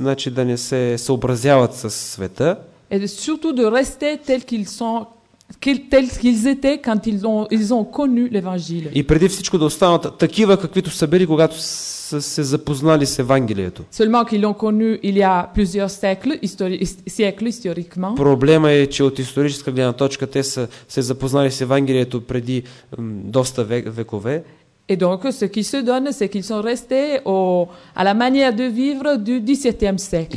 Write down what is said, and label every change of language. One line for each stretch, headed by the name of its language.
Bulgarian: Да не се съобразяват с света.
French: Et surtout de rester tels qu'ils sont. Tels qu'ils étaient quand ils ont connu l'Évangile.
Bulgarian: И преди всичко да останат такива, каквито са били, когато са се запознали с Евангелието.
French: Seulement qu'ils l'ont connu il y a plusieurs siècles historiquement.
Bulgarian: Проблема е, че от историческа гледна точка те са се запознали с Евангелието преди доста векове.
French: Et donc ce qui se donne, c'est qu'ils sont restés à la manière de vivre du 17e siècle.